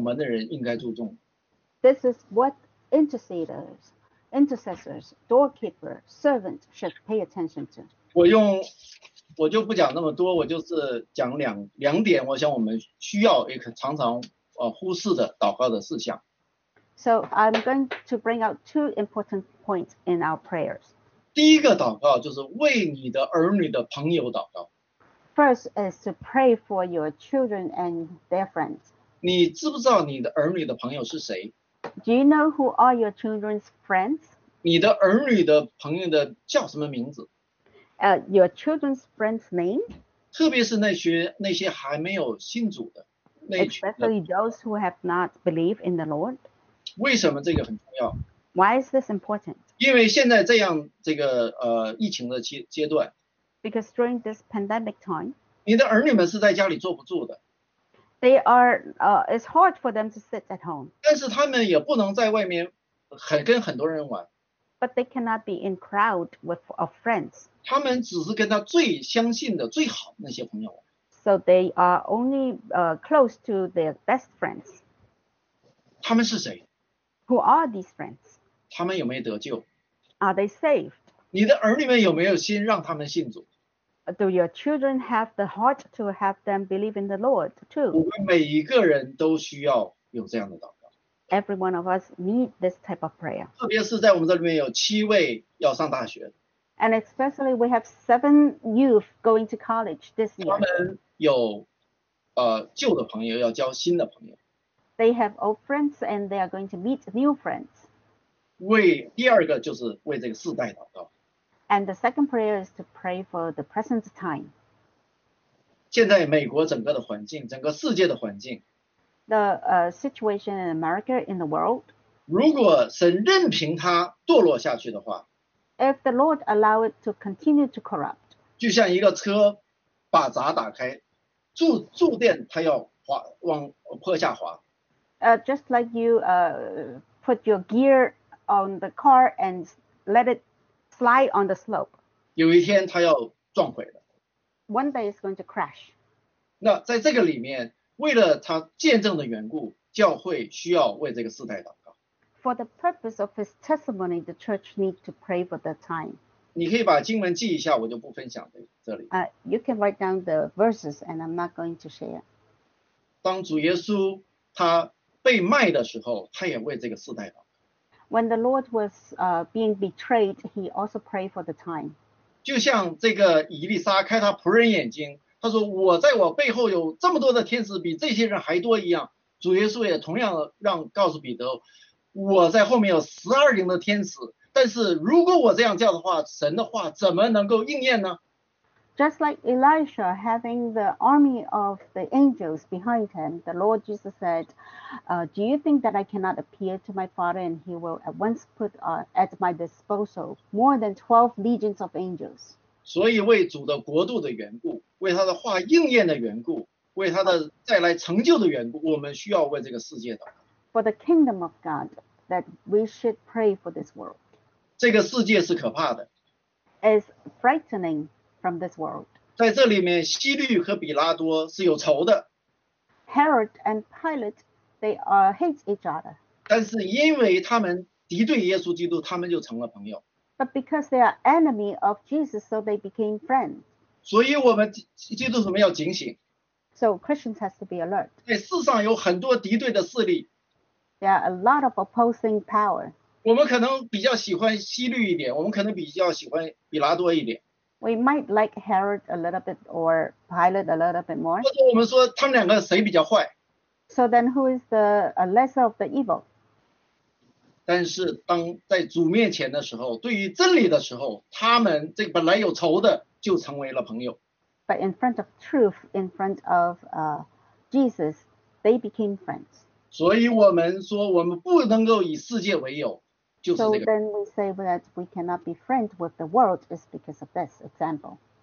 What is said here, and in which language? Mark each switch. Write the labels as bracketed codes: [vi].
[zh] 这就是我们代祷者，这就是每个仆人，这就是每个守门的人应该注重。 [en] This is what interceders, intercessors, doorkeeper, servants should pay attention to. [zh] 我就不讲那么多，我就是讲两点，我想我们需要也常常忽视的祷告的事项。 [en] So I'm going to bring out two important points in our prayers. [zh] 第一个祷告就是为你的儿女的朋友祷告。 [en] First is to pray for your children and their friends. [zh] 你知不知道你的儿女的朋友是谁？ [en] Do you know who are your children's friends? [zh] 你的儿女的朋友的叫什么名字？ [en] Your children's friend's name, [zh] 特别是那些还没有信主的那群的。 [en] especially those who have not believed in the Lord. [zh] 为什么这个很重要？ [en] Why is this important? [zh] 因为现在这样这个疫情的阶段。 [en] Because during this pandemic time, [zh] 你的儿女们是在家里坐不住的。 [en] They are, it's hard for them to sit at home. [zh] 但是他们也不能在外面跟很多人玩。 [en] But they cannot be in crowd with of friends. [zh] 他们只是跟他最相信的最好的那些朋友。 [en] So they are only close to their best friends. [zh] 他们是谁？ [en] Who are these friends? [zh] 他们有没有得救？ [en] Are they saved? [zh] 你的儿女们有没有心让他们信主？ [en] Do your children have the heart to have them believe in the Lord too? [zh] 我们每一个人都需要有这样的祷告。 [en] Every one of us need this type of prayer. [zh] 特别是在我们这里面有七位要上大学。 [en] And especially we have seven youth going to college this year. [zh] 他们有旧的朋友要交新的朋友。 [en] They have old friends and they are going to meet new friends. [zh] 为第二个就是为这个世代祷告。 [en] And the second prayer is to pray for the present time. [zh] 现在美国整个的环境，整个世界的环境。 [en] The situation in America in the world. [zh] 如果神任凭它堕落下去的话， [en] If the Lord allow it to continue to corrupt, [zh] 就像一个车把闸打开，住电它要滑往坡下滑。 [en] Just like you put your gear on the car and let it slide on the slope. [zh] 有一天它要撞毁了。 [en] One day it's going to crash. [zh] 那在这个里面。为了他见证的缘故，教会需要为这个世代祷告。 [en] For the purpose of his testimony, the church need to pray for the time. [zh] 你可以把经文记一下，我就不分享在这里。 [en] You can write down the verses, and I'm not going to share. [zh] 当主耶稣他被卖的时候，他也为这个世代祷告。 [en] When the Lord was being betrayed, he also prayed for the time. [zh] 就像这个以利沙开他仆人眼睛。他说我在我背后有这么多的天使比这些人还多一样，主耶稣也同样让告诉彼得，我在后面有十二灵的天使，但是如果我这样叫的话，神的话怎么能够应验呢？ [en] Just like Elisha having the army of the angels behind him, the Lord Jesus said, do you think that I cannot appear to my father and he will at once put at my disposal more than 12 legions of angels? [zh] 所以为主的国度的缘故，为他的话应验的缘故，为他的再来成就的缘故，我们需要为这个世界祷告。 [en] For the kingdom of God, that we should pray for this world. [zh] 这个世界是可怕的。 [en] It's frightening from this world. [zh] 在这里面，希律和比拉多是有仇的。 [en] Herod and Pilate, they hate each other. [zh] 但是因为他们敌对耶稣基督，他们就成了朋友。 [en] But because they are enemy of Jesus, so they became friends. [zh] 所以我们基督徒们要警醒。 [en] So Christians has to be alert. [zh] 在世上有很多敌对的势力。 [en] There are a lot of opposing power. [zh] 我们可能比较喜欢希律一点，我们可能比较喜欢比拉多一点。 [en] We might like Herod a little bit or Pilate a little bit more. [zh] 或者我们说他们两个谁比较坏。 [en] So then who is the lesser of the evil? [zh] 但是当在主面前的时候，对于真理的时候，他们这本来有仇的就成为了朋友。 [en] But in front of truth, in front of Jesus, they became friends. [zh] 所以我们说我们不能够以世界为友，就是这个。 [en] So then we say that we cannot be friends with the world is because of this example.